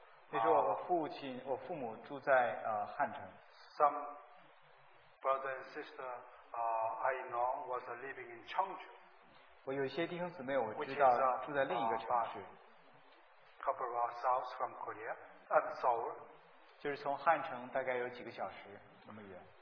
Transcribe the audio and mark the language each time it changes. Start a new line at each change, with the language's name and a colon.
Chinese: 那时候我父母住在, 汉城。
English: Some brother and sister I know was living in Cheongju.
Chinese: 我有些弟兄姊妹我知道住在另一个城市。
English: Couple of hours south from Korea, at Seoul.
Chinese: 就是从汉城大概有几个小时那么远。